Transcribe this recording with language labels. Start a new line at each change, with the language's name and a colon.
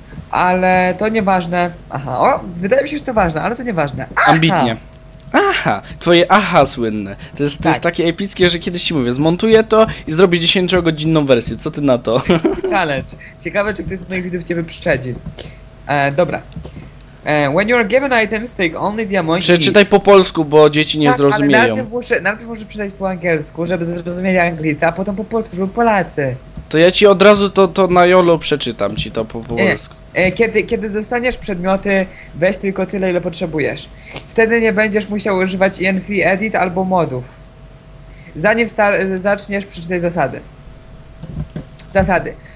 Polish: Ale to nieważne. Aha, o, wydaje mi się, że to ważne, ale to nieważne. Ambitnie. Aha, twoje aha słynne. To jest takie epickie, że kiedyś ci mówię, zmontuję to i zrobię 10-godzinną wersję. Co ty na to?
English: Challenge.
Polish: Ciekawe, czy ktoś z moich widzów cię wyprzedzi. Dobra.
English: When you are given items, take only the amount you need.
Polish: Przeczytaj po polsku, bo dzieci nie zrozumieją. Ale najpierw muszę przeczytać po angielsku, żeby zrozumieli Anglicy, a potem po polsku, żeby Polacy. To ja ci od razu to na YOLO przeczytam ci to po polsku. Kiedy dostaniesz przedmioty, weź tylko tyle, ile potrzebujesz. Wtedy nie będziesz musiał używać ENV Edit albo modów. Zanim zaczniesz, przeczytaj zasady. Zasady.